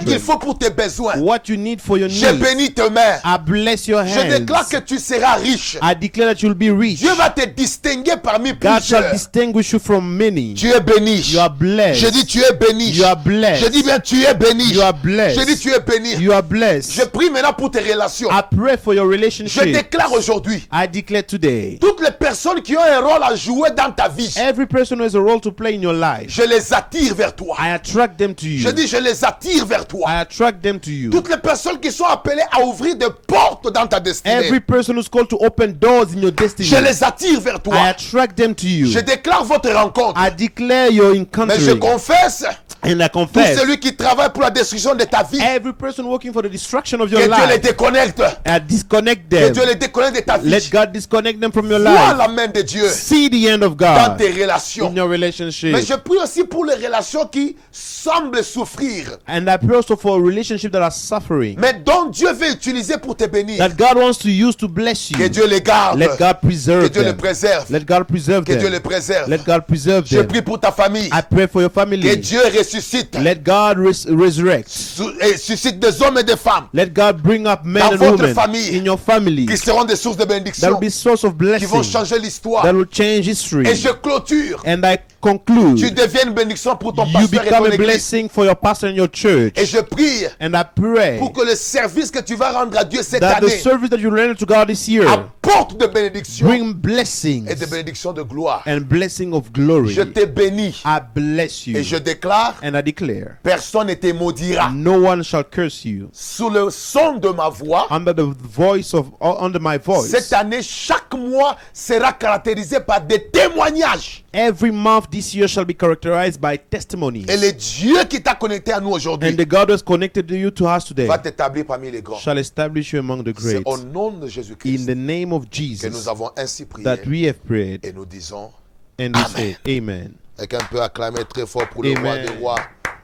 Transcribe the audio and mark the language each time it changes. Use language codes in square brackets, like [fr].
[fr] Ce qu'il faut pour tes besoins. [en] What you need for your [fr] je [en] needs. [fr] Je bénis tes mains. [en] I bless your hands. [fr] Je déclare que tu seras riche. [en] I declare that you will be rich. [fr] Dieu va te distinguer parmi [en] God [fr] plusieurs. [en] God shall distinguish you from many. [fr] Tu es béni. [en] You are blessed. [fr] Je dis tu es béni. [en] You are blessed. [fr] Je dis bien tu es béni. [en] You are blessed. [fr] Je dis tu es béni. [en] You are blessed. [fr] Je prie maintenant pour tes relations. [en] I pray for your relationship. [fr] Je déclare aujourd'hui. [en] I declare today. [fr] Toutes les personnes qui ont un rôle à jouer dans ta vie. [en] Every person who has a role to play in your life. [fr] Je les attire vers toi. [en] I attract them to you. [fr] Je dis je les attire vers toi. [en] I attract them to you. [fr] Toutes les personnes qui sont appelées à ouvrir des portes dans ta destinée. [en] Every person who's called to open doors in your destiny. [fr] Je les attire vers toi. [en] I attract them to you. [fr] Je déclare votre rencontre. [en] I declare your encounter. [fr] Mais je confesse. [en] And I confess. [fr] Tout celui qui travaille pour la destruction de ta vie. [en] Every person working for the destruction of your [fr] que [en] life. [fr] Que Dieu les déconnecte. [en] I disconnect them. [fr] Que Dieu les déconnecte de ta vie. [en] Let God disconnect them from your life. [fr] Vois la main de Dieu. [en] See the hand of God. [fr] Dans tes relations. [en] In your relationship. [fr] Mais je prie aussi pour les relations qui semblent souffrir. [en] And I pray also for relationships that are suffering. [fr] Mais dont Dieu veut utiliser pour te bénir. [en] That God wants to use to bless you. [fr] Que Dieu les garde. [en] Let God preserve [fr] que Dieu [en] them. [fr] Les préserve. [en] Let God preserve [fr] que [en] them. [fr] Que Dieu les préserve. [en] Let God preserve them. [fr] Je prie pour ta famille. [en] I pray for your family. [fr] Que Dieu ressuscite. [en] Let God resurrect. [fr] Suscite des hommes et des femmes. [en] Let God bring up men [fr] dans [en] and women. [fr] Dans votre famille. [en] In your family. [fr] Qui seront des sources de bénédiction. [en] That will be source of blessing. [fr] Qui vont changer l'histoire. [en] That will change history. [fr] Et je clôture. [en] And I conclude. [fr] Tu deviens une bénédiction pour ton [en] you [fr] pasteur et ton [en] église. You become a blessing for your pastor and your church. [fr] Et je prie. [en] And I pray. [fr] Pour que le service que tu vas rendre à Dieu cette [en] that [fr] année. [en] That the service that you render to God this year. [fr] Apporte de bénédiction. [en] Bring blessings. [fr] Et des bénédictions de gloire. [en] And blessing of glory. [fr] Je te bénis. [en] I bless you. [fr] Et je déclare. [en] And I declare. [fr] Personne ne te maudira. [en] No one shall curse you. [fr] Sous le son de ma voix. [en] Under the voice of under my voice. [fr] Cette année, chaque mois sera caractérisé par des témoignages. [en] Every month this year shall be characterized by testimonies. [fr] Et le Dieu qui t'a connecté à nous aujourd'hui. [en] And the God who has connected you to us today. [fr] Va t'établir parmi les grands. [en] Shall establish you among the great. [fr] C'est au nom de Jésus-Christ. [en] In the name of Jesus. [fr] Que nous avons ainsi prié. [en] That we have prayed. [fr] Et nous disons. [en] And we say, Amen. [fr] Et qu'on peut acclamer très fort pour le roi des rois.